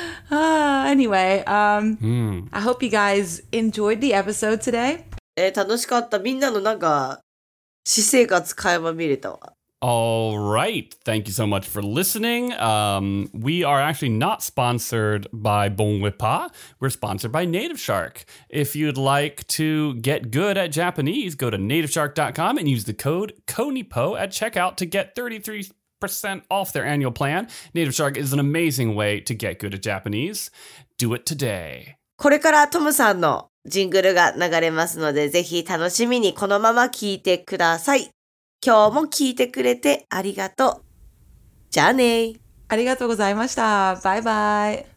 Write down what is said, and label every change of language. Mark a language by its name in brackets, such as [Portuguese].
[English] Anyway, I hope you guys enjoyed the episode today. [Japanese] 楽しかった。みんなのなんか私生活垣間見れたわ。 [English] All right. Thank you so much for listening. We are actually not sponsored by Bon Repas. We're sponsored by Native Shark. If you'd like to get good at Japanese, go to nativeshark.com and use the code KONIPO at checkout to get 33% off their annual plan. Native Shark is an amazing way to get good at Japanese. Do it today. [Japanese] これからトムさんのジングルが流れますのでぜひ楽しみにこのまま聞いてください。今日も聞いてくれてありがとう。じゃあね。ありがとうございました。バイバイ。